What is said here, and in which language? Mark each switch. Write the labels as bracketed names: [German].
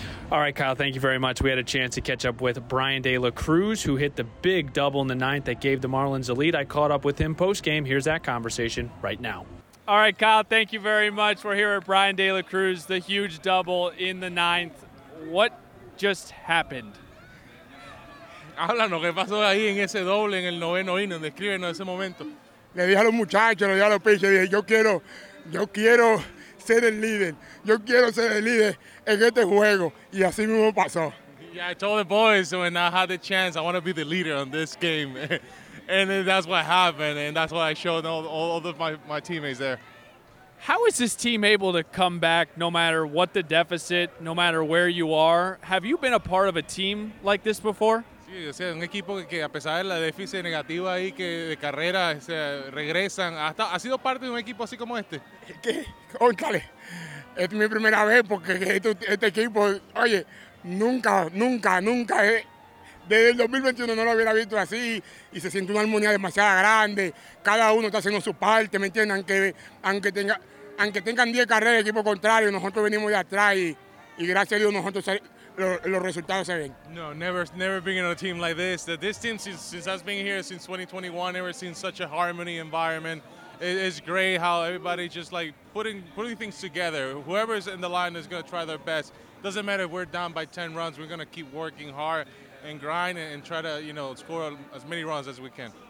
[English] All right, Kyle, thank you very much. We had a chance to catch up with Brian De La Cruz, who hit the big double in the ninth that gave the Marlins a lead. I caught up with him post-game. Here's that conversation right now. All right, Kyle, thank you very much. We're here with Brian De La Cruz, the huge double in the ninth. What just happened? [Spanish] Háblanos, ¿qué pasó ahí en ese doble en el noveno inning? Descríbenos ese momento. Le dije a los muchachos, le dije a los pitchers, dije, yo quiero ser el líder. Yo quiero ser el líder en este juego. Y así mismo pasó. [English] Yeah, I told the boys when I had the chance, I want to be the leader on this game. And that's what happened, and that's what I showed all of my teammates there. How is this team able to come back no matter what the deficit, no matter where you are? Have you been a part of a team like this before? [Spanish] Sí, o sea, un equipo que a pesar de la déficit negativa ahí que de carrera, o sea, regresan. ¿Ha sido parte de un equipo así como este? ¿Qué? Óntale. Es mi primera vez porque este equipo, oye, nunca he... Desde el 2021 no lo hubiera visto así y se siente una armonía demasiado grande. Cada uno está haciendo su parte, ¿me entiendes? Aunque tengan 10 carreras de equipo contrario, nosotros venimos de atrás y gracias a Dios nosotros los resultados se ven. [English] No, never being in a team like this. This team, since has been here since 2021, ever seen such a harmony environment. It's great how everybody just like putting things together. Whoever's in the line is going to try their best. Doesn't matter if we're down by 10 runs, we're going to keep working hard and grind and try to, you know, score as many runs as we can.